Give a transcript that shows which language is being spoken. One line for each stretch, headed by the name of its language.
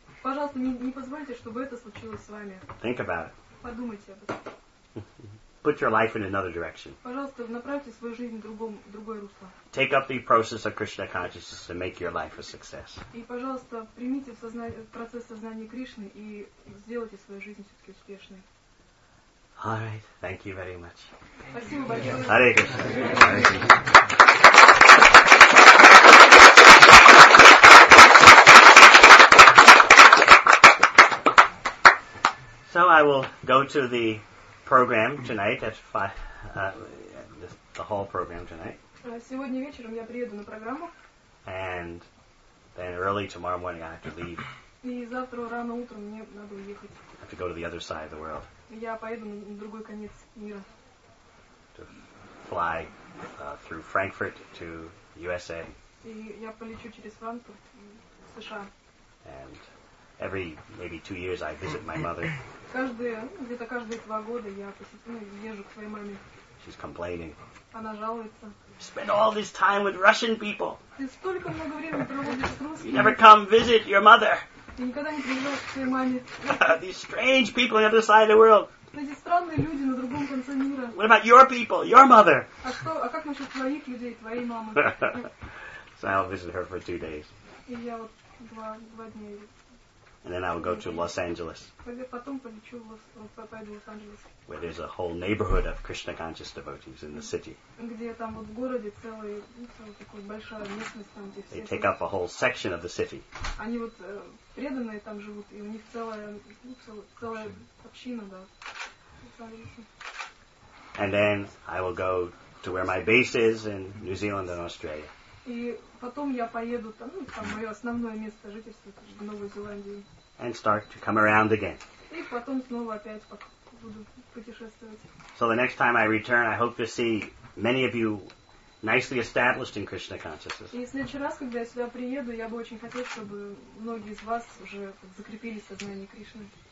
Russian: Пожалуйста, не позвольте, чтобы это случилось с вами.
English: Think about it.
Russian: Подумайте об этом.
English: Put your life in another direction.
Russian: Пожалуйста, направьте свою жизнь в другое русло.
English: Take up the process of Krishna consciousness to make your life a success.
Russian: И, пожалуйста, примите процесс сознания Кришны и сделайте свою жизнь все-таки успешной.
English: All right, thank you very much.
Russian: Спасибо большое.
English: Hare Krishna. Hare Krishna. So I will go to the program tonight. That's the whole program tonight.
Russian: Сегодня вечером я приеду на программу.
English: And then early tomorrow morning I have to leave.
Russian: И завтра рано утром мне надо уехать.
English: I have to go to the other side of the world.
Russian: Я поеду на другой конец мира.
English: To fly through Frankfurt to USA.
Russian: И я полечу через Франкфурт в США.
English: And every maybe 2 years I visit my mother.
Russian: Каждые 2 года я езжу к своей маме.
English: She's complaining.
Russian: Она жалуется.
English: Spend all this time with Russian people.
Russian: Ты столько много времени проводишь с русскими.
English: You never come visit your mother.
Russian: Ты никогда не приезжаешь к своей маме.
English: These strange people on the other side of the world.
Russian: Эти странные люди на другом конце мира.
English: What about your people, your mother?
Russian: А как насчет твоих людей, твоей мамы?
English: So I'll visit her for 2 days.
Russian: И я вот два дня.
English: And then I will go to Los Angeles.
Russian: Потом полечу в Лос-Анджелес.
English: Where there's a whole neighborhood of Krishna conscious devotees in the city.
Russian: Где там вот в городе целый такой большая местность там, где все.
English: They take up a whole section of the city.
Russian: Они вот преданные там живут, и у них целая община, да.
English: And then I will go to where my base is in New Zealand and Australia.
Russian: И потом я поеду там, мое основное место жительства в Новой Зеландии.
English: And start to come around again.
Russian: И потом снова опять буду путешествовать.
English: So the next time I return, I hope to see many of you nicely established in Krishna consciousness.
Russian: И в следующий раз, когда я сюда приеду, я бы очень хотел, чтобы многие из вас уже закрепились в сознании Кришны.